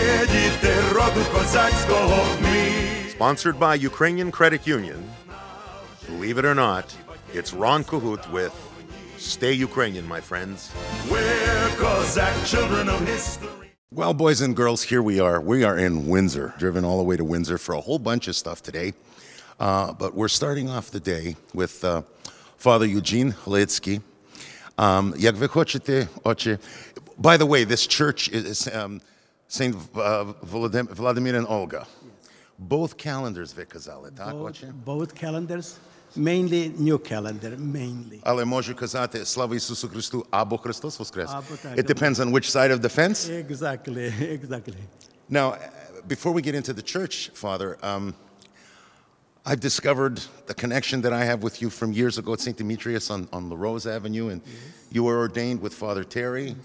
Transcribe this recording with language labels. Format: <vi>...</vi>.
<uk>діти роду козацького ми.</uk> <en>Sponsored by Ukrainian Credit Union. Believe it or not, it's Ron Kahoot with Stay Ukrainian, my friends. We're Cossack children of history. Well, boys and girls, here we are. We are in Windsor, driven all the way to Windsor for a whole bunch of stuff today. But we're starting off the day with Father Eugen Hlitsky.</en> <uk>Як ви хочете, отче?</uk> <en>By the way, this church is St. Vladimir and Olga. Both calendars,</en> <uk>ви казали, так, отче?</uk> <en>Both calendars. Mainly new calendar, mainly.</en> <uk>Але можу казати слава Ісусу Христу або Христос воскрес.</uk> <en>It depends on which side of the fence. Exactly, exactly. Now, before we get into the church, Father, I've discovered the connection that I have with you from years ago at St. Demetrius on La Rose Avenue, and yes. You were ordained with Father Terry.</en>